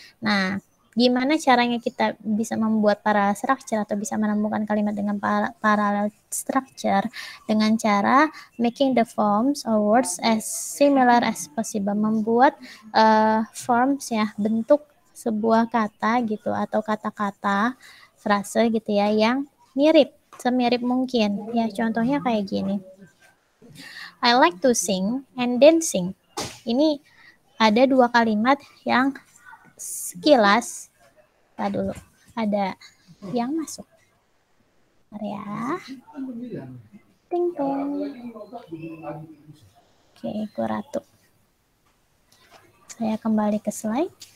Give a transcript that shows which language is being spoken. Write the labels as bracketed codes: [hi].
[id] Nah, gimana caranya kita bisa membuat parallel structure atau bisa menemukan kalimat dengan parallel structure? Dengan cara [en] making the forms or words as similar as possible. [id] Membuat forms ya, bentuk sebuah kata gitu atau kata-kata frase gitu ya yang mirip, semirip mungkin ya. Contohnya kayak gini, [en] I like to sing and dancing. [id] Ini ada dua kalimat yang sekilas, kita dulu ada yang masuk area ting-tong. Oke, kuratu, saya kembali ke slide.